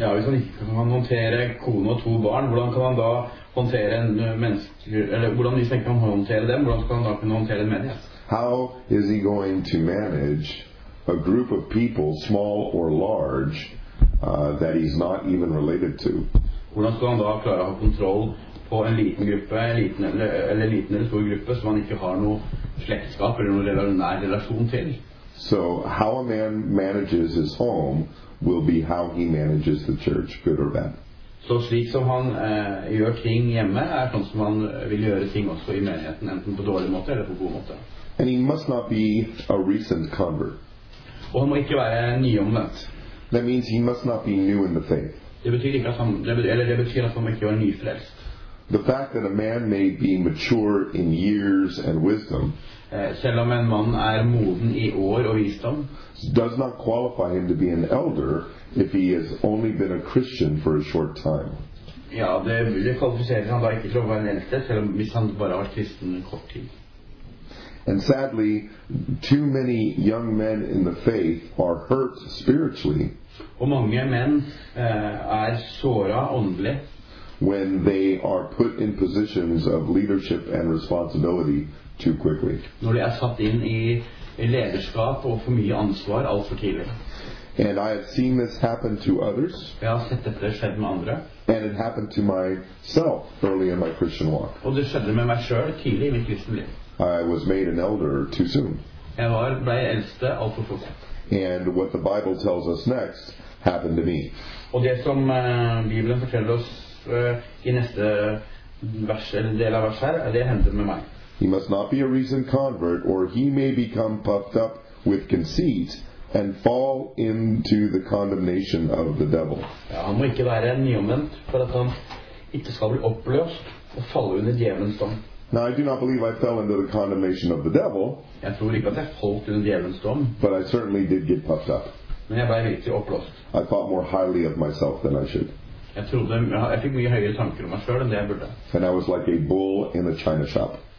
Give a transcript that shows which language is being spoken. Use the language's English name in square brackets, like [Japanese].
[Norwegian] Ja, hvis han ikke kan håndtere kone og to barn, hvordan kan han da håndtere en menneske, eller hvordan hvis han ikke kan håndtere dem, hvordan kan han da kunne håndtere en menighet? [English] How is he going to manage a group of people, small or large, that he's not even related to? [Norwegian] Hvordan skal han da klare å ha kontroll på en liten gruppe, liten eller stor gruppe som han ikke har noe slektskap eller noe nær relasjon til? [English] So how a man manages his home will be how he manages the church, good or bad. [Norwegian] Så slik som han gjør ting hjemme er sånn som han vil gjøre ting også i menigheten, enten på dårlig måte eller på god måte. [English] And he must not be a recent convert. [Norwegian] Og han må ikke være nyomvendt. [English] That means he must not be new in the faith. [Norwegian] Det betyr ikke at han, det betyr at han ikke er nyfrelst. [English] The fact that a man may be mature in years and wisdom, [Norwegian] selv om en mann er moden i år og visdom, [English] does not qualify him to be an elder if he has only been a Christian for a short time. [Norwegian] Ja, det kvalifiserer han da ikke til å være en eldste, selv om hvis han bare var kristen en kort tid. [English] And sadly, too many young men in the faith are hurt spiritually. [Norwegian] Og mange menn er såra åndelig. [English] When they are put in positions of leadership and responsibility too quickly. [Norwegian] Når de er satt inn i lederskap og for mye ansvar alt for tidlig. [English] And I have seen this happen to others. [Norwegian] Jeg har sett dette skjedd med andre. [English] And it happened to myself early in my Christian walk. [Norwegian] Og det skjedde med meg selv tidlig i mitt kristne liv. [English] I was made an elder too soon. [Norwegian] Jeg ble eldste alt for fort. [English] And what the Bible tells us next happened to me. [Norwegian] Og det som Bibelen forteller oss i neste vers, eller del av vers her, det hendte med meg. [English] He must not be a recent convert, or he may become puffed up with conceit and fall into the condemnation of the devil. [Norwegian] Ja, han må ikke være en nyomvendt for at han ikke skal bli oppløst og falle under djevelens dom. [English] Now, I do not believe I fell into the condemnation of the devil. [Norwegian] Jeg tror ikke at jeg falt under djevelens dom. [English] But I certainly did get puffed up. [Norwegian] Men jeg ble virkelig oppløst. [English] I thought more highly of myself than I should. [Norwegian] Jeg trodde, jeg fikk mye høyere tanker om meg selv enn det jeg burde. [English] And I was like a bull in a china shop.